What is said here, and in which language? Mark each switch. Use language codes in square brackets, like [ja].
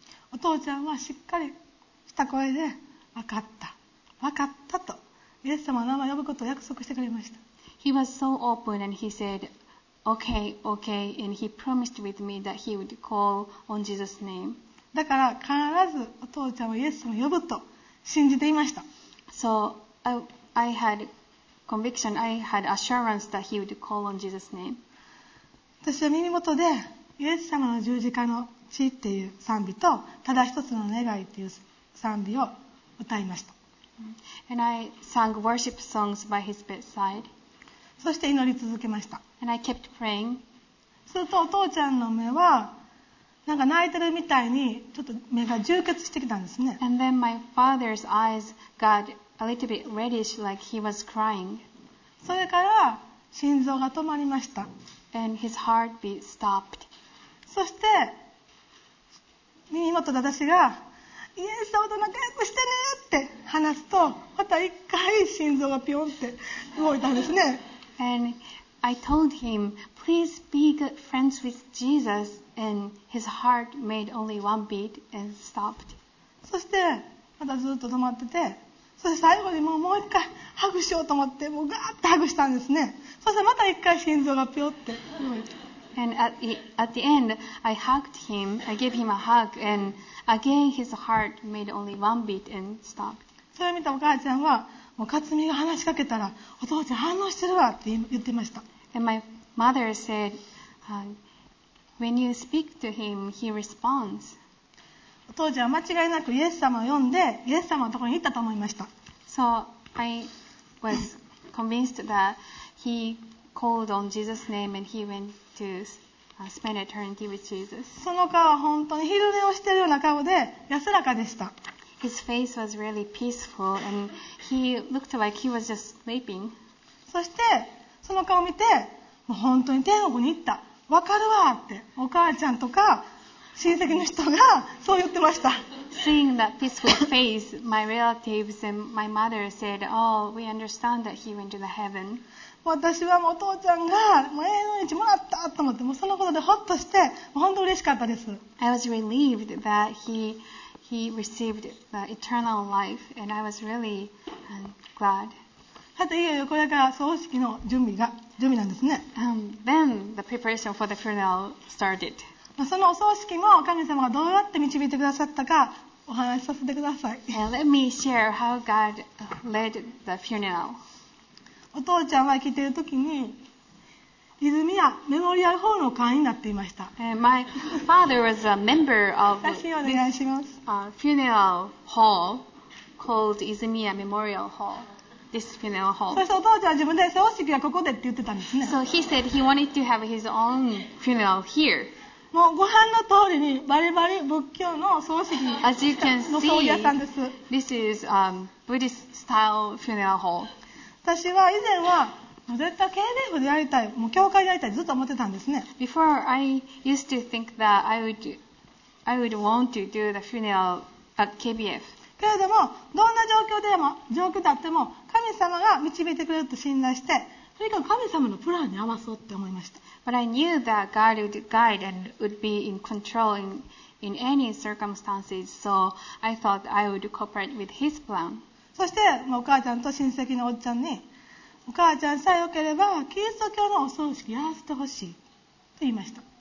[ja] お父ちゃんはしっかりした声で分かった、分かったとイエス様の名前を呼ぶことを約束してくれました。 [en] He was so open and he said, okay, okay, and he promised with me that he would call on Jesus' name. [ja] だから必ずお父ちゃんはイエス様を呼ぶと信じていました。 [en] So I had conviction, I had assurance that he would call on Jesus' name. [ja] 私は耳元でイエス様の十字架の地っていう賛美とただ一つの願いっていう賛美を歌いました。 [en] And I sang worship songs by his bedside. [ja] そして祈り続けました。 [en] And I kept praying. [ja] するとお父ちゃんの目はなんか泣いてるみたいにちょっと目が充血してきたんですね。 [en] And then my father's eyes got a little bit reddish like he was crying. [ja] それから心臓が止まりました。 [en] And his heartbeat stopped. [ja] そして耳元で私がイエス様と仲良くしてねって話すとまた一回心臓がピョンって動いたんですね。 [en] And I told him, please be good friends with Jesus. And his heart made only one beat and stopped. [ja] そしてまたずっと止まってて、そして最後にもう一回ハグしようと思ってもうガーッてハグしたんですね。そしてまた一回心臓がピョンって動いた。 [en] And at the end, I hugged him. I gave him a hug, and again his heart made only one beat and stopped. [ja] それを見たお母ちゃんは、もう勝美が話しかけたら、お父ちゃん反応してるわって言ってました。 [en] And my mother said, when you speak to him, he responds. [ja] お父ちゃんは間違いなくイエス様を呼んで、イエス様のところに行ったと思いました。 [en] So I was convinced that he called on Jesus' name and he went. Spend eternity with Jesus. [ja] その顔は本当に昼寝をしているような顔で安らかでした。 [en] His face was really peaceful and he looked like he was just sleeping. [ja] そしてその顔を見てもう本当に天国に行った。わかるわってお母ちゃんとか親戚の人がそう言ってました。 [en] Seeing that peaceful face, my relatives and my mother said, "Oh, we understand that he went to the heaven." [ja] 私はもうお父ちゃんがもう永遠の命もらったと思って、もうそのことでホッとして、もう本当に嬉しかったです。 [en] I was relieved that he received the eternal life, and I was really glad. [ja] さて、いよいよこれから葬式の準備なんですね。 [en] Then the preparation for the funeral started. [ja] そのお葬式も神様がどうやって導いてくださったかお話しさせてください。 [en] Let me share how God led the funeral. [ja] お父ちゃんは生きている時に、泉谷メモリアルホールの会員になっていました。 [en] My father was a member of this funeral hall called 泉谷メモリアルホール。This funeral hall. そしてお父ちゃんは自分で葬式はここでって言ってたんですね。 So he said he wanted to have his own funeral here. [ja] もうご飯の通りにバリバリ仏教の葬式の葬儀屋さんです。 [en] As you can see, this is Buddhist style funeral hall. [ja] 私は以前は絶対経営部でやりたい、もう教会でやりたいずっと思ってたんですね。 [en] Before I used to think that I would want to do the funeral at KBF. [ja] けれどもどんな状況であっても神様が導いてくれると信頼して、とにかく神様のプランに合わそうって思いました。 [en] But I knew that God would guide and would be in control in any circumstances, so I thought I would cooperate with His plan. [ja] そしてお母ちゃんと親戚のおっちゃんに、お母ちゃんさえよければキリスト教のお葬式やらせてほしいと言いました。